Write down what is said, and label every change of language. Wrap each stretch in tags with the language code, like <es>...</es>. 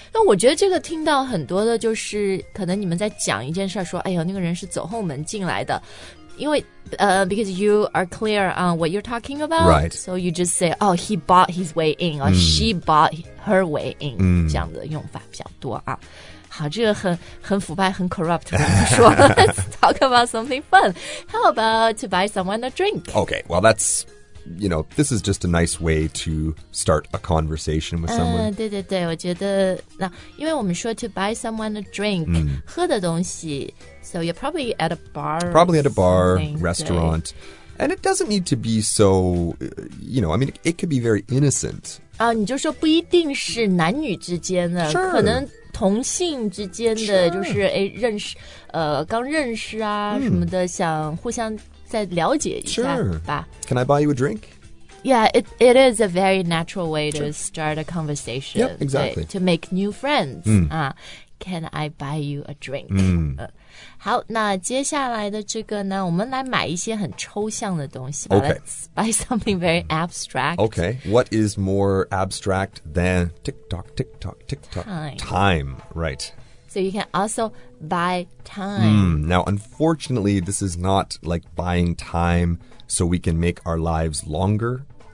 <zh>那我觉得这个听到很多的就是可能你们在讲一件事说哎呦那个人是走后门进来的。因为</zh> <en>because you are clear on what you're talking about. Right. So you just say, oh, he bought his way in, or she bought her way in.</en> <zh>这样的用法比较多啊。好，这个很腐败，很 corrupt， 我不说了。</zh> <en>Let's talk about something fun. How about to buy someone a drink? Okay, well, that's, you know, this is just a nice way to start a conversation with someone.</en> <zh>对对对，我觉得那因为我们说</zh> <en>to buy someone a drink，</en> <zh>喝的东西。</zh> <en>So you're probably at a bar. Probably at a bar, restaurant. And it doesn't need to be so, you know, I mean, it could be very innocent.</en> <zh>你就说不一定是男女之间的。</zh> <en>Sure.</en> <zh>可能同性之间的就是、</zh> <en>sure.</en> <zh>哎、认识刚认识啊、什么的想互相再了解一下吧。</zh> <en>Sure. Can I buy you a drink? Yeah, it is a very natural way to、sure. start a conversation. Yep, exactly. To make new friends. Can I buy you a drink?</en> <zh>好，那接下来的这个呢，我们来买一些很抽象的东西吧。</zh> <en>Okay. Let's buy something very abstract. Okay, what is more abstract than tick-tock, tick-tock, tick-tock? Time. Time, right. So you can also buy time. Now, unfortunately, this is not like buying time so we can make our lives longer.</en>